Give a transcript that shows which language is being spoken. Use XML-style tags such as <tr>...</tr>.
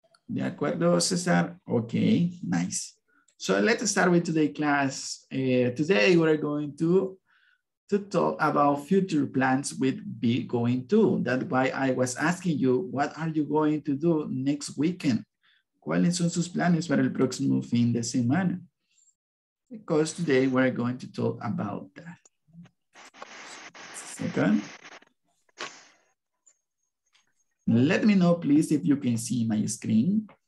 <es>De acuerdo,</es> <en>César? Okay, nice. So let's start with today's class. Today we're going to talk about future plans with be going to. That's why I was asking you, what are you going to do next weekend?</en> <es>¿Cuáles son sus planes para el próximo fin de semana?</es> <en>Because today we're going to talk about that. Second. Let me know, please, if you can see my screen.</en>